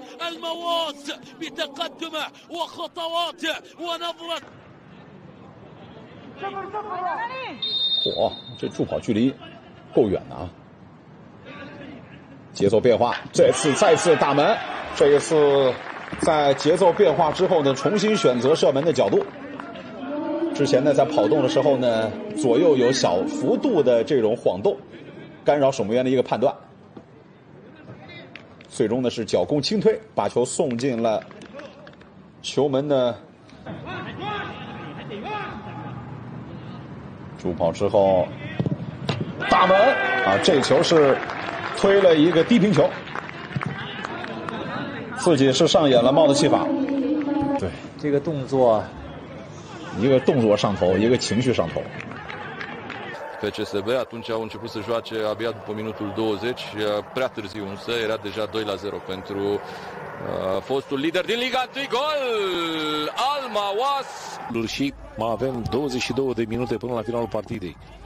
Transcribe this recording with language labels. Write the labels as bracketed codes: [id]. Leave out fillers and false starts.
[ar] المواس بتقدمه وخطواته ونظرة [zh] 哇、这助跑距离够远的啊！节奏变化，这次再次打门，这一次在节奏变化之后呢，重新选择射门的角度。之前呢，在跑动的时候呢，左右有小幅度的这种晃动，干扰守门员的一个判断。最终呢，是脚弓轻推，把球送进了球门的。助跑之后大门啊，这球是推了一个低平球，自己是上演了帽子戏法。对，这个动作，一个动作上头，一个情绪上头。 [ro] FCSB atunci au început să joace abia după minutul 20, prea târziu însă, era deja 2-0 pentru fostul lider din Liga 1, gol al Mawas. Și mai avem 22 de minute până la finalul partidei.